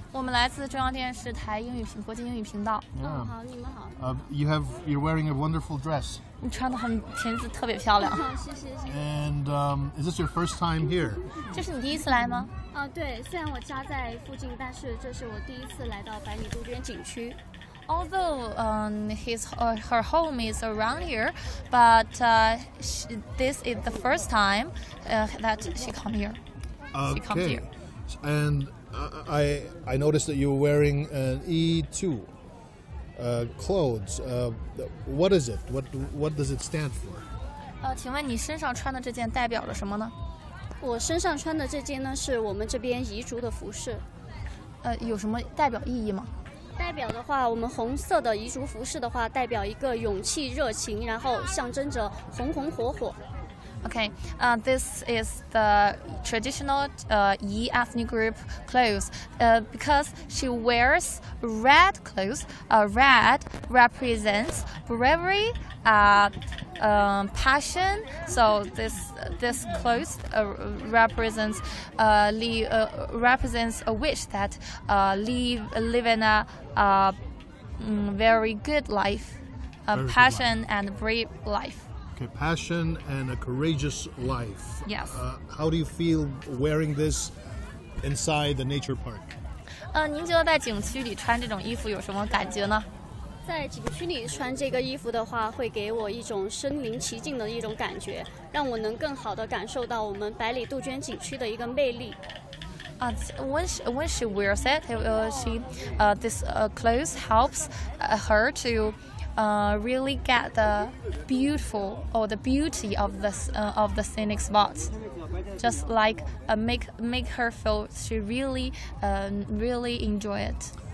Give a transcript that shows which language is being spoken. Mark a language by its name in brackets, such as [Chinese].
[Chinese] 我们来自中央电视台英语频国际英语频道。好，你们好。 [English] You're wearing a wonderful dress. [Chinese] 你穿的很裙子特别漂亮。谢谢。 [English] And is this your first time here? [Chinese] 这是你第一次来吗？对，虽然我家在附近，但是这是我第一次来到百里杜鹃景区。 [English] Although her home is around here, but this is the first time that she come here. Okay. She comes here. And I noticed that you were wearing an E2 clothes. What is it? What does it stand for? [Chinese] 请问你身上穿的这件代表了什么呢？我身上穿的这件呢，是我们这边彝族的服饰。有什么代表意义吗？代表的话，我们红色的彝族服饰的话，代表一个勇气、热情，然后象征着红红火火。 [English] Okay, this is the traditional Yi ethnic group clothes. Because she wears red clothes, red represents bravery, passion. So this clothes represents a wish that live in a very good life, a very passion good life. And brave life. Okay, passion and a courageous life. Yes. How do you feel wearing this inside the nature park? [Chinese] 您觉得在景区里穿这种衣服有什么感觉呢？在景区里穿这个衣服的话，会给我一种身临其境的一种感觉，让我能更好地感受到我们百里杜鹃景区的一个魅力。 [English] When she wears it, clothes helps her to. Really get the beautiful or the beauty of the scenic spots, just like make her feel she really enjoy it.